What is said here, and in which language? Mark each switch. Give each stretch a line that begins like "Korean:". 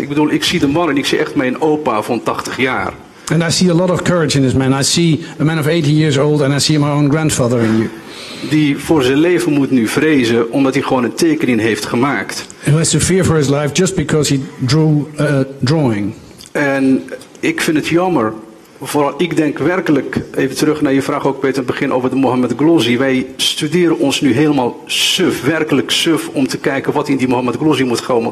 Dutch: Ik bedoel, ik zie de man en ik zie echt mijn opa van 80 jaar.
English: And I see a lot of courage in this man. I see a man of 80 years old and I see my own grandfather in you.
Dutch: Die voor zijn leven moet nu vrezen omdat hij gewoon een tekening heeft gemaakt.
English: Who has to fear for his life just because he drew a drawing.
Dutch: En ik vind het jammer. Vooral ik denk werkelijk, even terug naar je vraag ook Peter, begin over de Mohammed Glossy. Wij studeren ons nu helemaal suf, werkelijk suf, om te kijken wat in die Mohammed Glossy moet komen.